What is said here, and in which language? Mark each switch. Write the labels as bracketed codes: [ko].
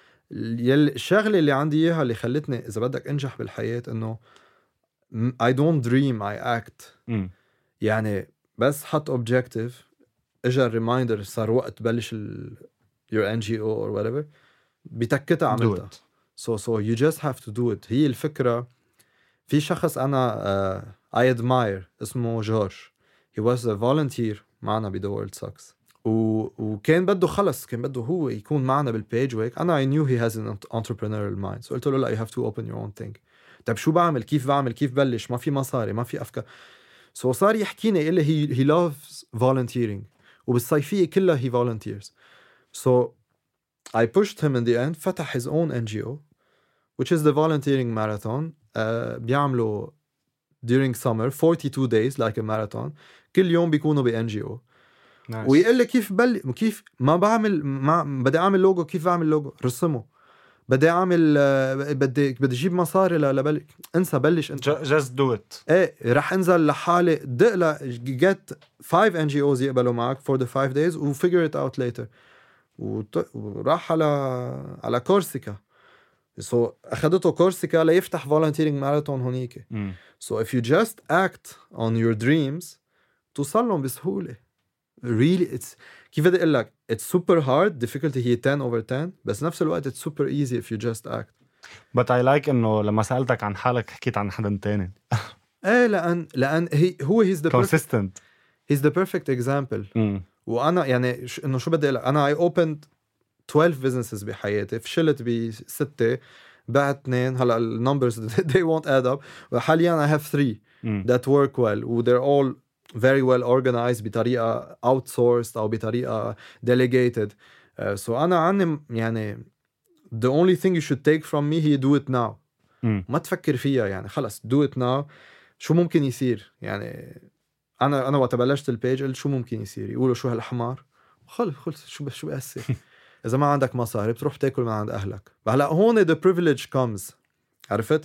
[ar] الشغله اللي عندي اياها اللي خلتني اذا بدك انجح بالحياه انه [en] I don't dream, I act. [ar] يعني بس حط objective اجى reminder صار وقت بلش [en] your NGO or whatever [ar] بتكتها عملتها. [en] So you just have to do it. [ar] هي الفكرة. في شخص أنا [en] I admire [ar] اسمه جورج. [en] He was a volunteer [ar] معنا بـ The World Sucks وكان بده خلص كان بده هو يكون معنا بالبيج وهيك. [en] أنا I knew he has an entrepreneurial mind. So [ar] قلت له لا [en] you have to open your own thing. [ar] طب شو بعمل كيف بعمل كيف بلش ما في مصاري ما في أفكار. سو صار يحكيني يقول لي [en] he loves volunteering [ar] وبالصيفية كلها [en] he volunteers. So I pushed him in the end [ar] فتح [en] his own NGO which is the volunteering marathon. [ar] بيعملوا [en] during summer 42 days like a marathon [ar] كل يوم بيكونوا بNGO. [en] nice. [ar] ويقول لي كيف بل كيف ما بعمل ما بدي أعمل لوجو كيف بعمل لوجو رسمه بدي اعمل بدي اجيب مصاري لبلك انسى بلش انت [en] just do it. [ar] ايه رح انزل لحالي دق له [en] get 5 NGOs [ar] يقبلوا معك [en] for the 5 days و figure it out later [ar] وراح على كورسيكا. سو اخذته كورسيكا ليفتح volunteering marathon هونيك. [en] so if you just act on your dreams [ar] توصل لهم بسهولة. [en] really it's [ar] كيف بدي اقول لك [en] it's super hard difficulty هي 10 over 10 [ar] بس نفس الوقت [en] it's super easy if you just act. but I like [ar] انه لما سألتك عن حالك حكيت عن حدا تاني. ايه لان هو [en] he's the consistent perfect, he's the perfect example. [ar] وانا يعني انه شو بدي اقول لك انا [en] I opened 12 businesses [ar] بحياتي فشلت بستة بعت 2 هلا ال [en] numbers they won't add up [ar] وحاليا [en] I have 3 that work well they're all very well organized بطريقة outsourced أو بطريقة delegated. So [ar] أنا عندي يعني [en] the only thing you should take from me هي do it now. [ar] ما تفكر فيها يعني خلص [en] do it now. [ar] شو ممكن يصير يعني أنا وقت بلشت البيج قلت شو ممكن يصير يقولوا شو هالحمار خلص شو بقسي. إذا ما عندك مصاري بتروح تاكل من عند أهلك هلا هون [en] the privilege comes [ar] عرفت.